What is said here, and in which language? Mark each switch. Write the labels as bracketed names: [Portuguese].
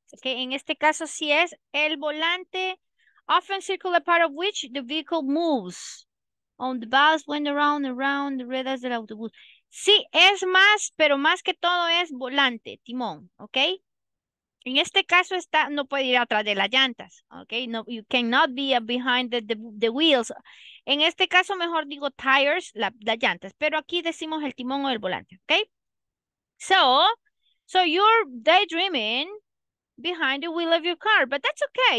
[Spanish] Okay, en este caso sí es el volante. [English] Often circular part of which the vehicle moves. On the bus, went around, around the [Spanish] ruedas del autobús. Sí, es más, pero más que todo es volante, timón, ¿ok? En este caso está, no puede ir atrás de las llantas, ¿ok? [English] No, you cannot be behind the wheels. [Spanish] En este caso, mejor digo tires, las llantas. Pero aquí decimos el timón o el volante, ¿ok? [English] So you're daydreaming behind the wheel of your car, but that's okay.